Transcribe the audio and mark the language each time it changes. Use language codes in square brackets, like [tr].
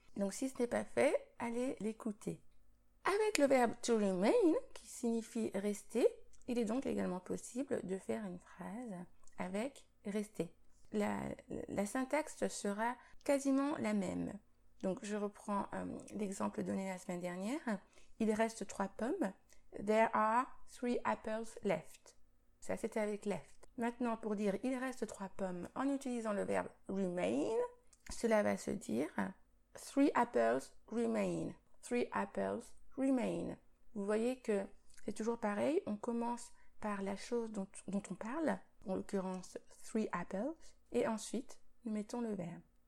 [fr] Donc, si ce n'est pas fait, allez l'écouter. Avec le verbe to remain, qui signifie rester, il est donc également possible de faire une phrase avec rester. La syntaxe sera quasiment la même. Donc, je reprends l'exemple donné la semaine dernière. Il reste trois pommes. [en] There are three apples left. [fr] Ça, c'était avec left. Maintenant, pour dire il reste trois pommes en utilisant le verbe remain, cela va se dire [en] three apples remain. Three apples remain. [fr] Vous voyez que c'est toujours pareil, on commence par la chose dont on parle, en l'occurrence three apples, et ensuite nous mettons le verbe.